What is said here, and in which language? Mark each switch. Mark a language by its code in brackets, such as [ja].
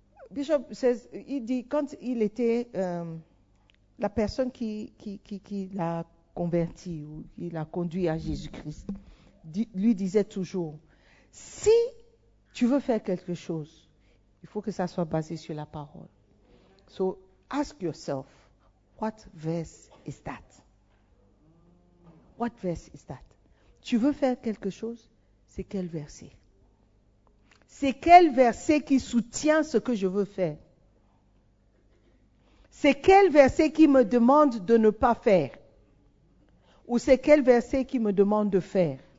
[en] Bishop says, [fr] il dit, quand il était la personne qui l'a converti ou qui l'a conduit à Jésus-Christ, lui disait toujours, si tu veux faire quelque chose, il faut que ça soit basé sur la parole. [en] So, ask yourself, what verse is that? What verse is that? [fr] Tu veux faire quelque chose, c'est quel verset? C'est quel verset qui soutient ce que je veux faire? C'est quel verset qui me demande de ne pas faire? Ou c'est quel verset qui me demande de faire?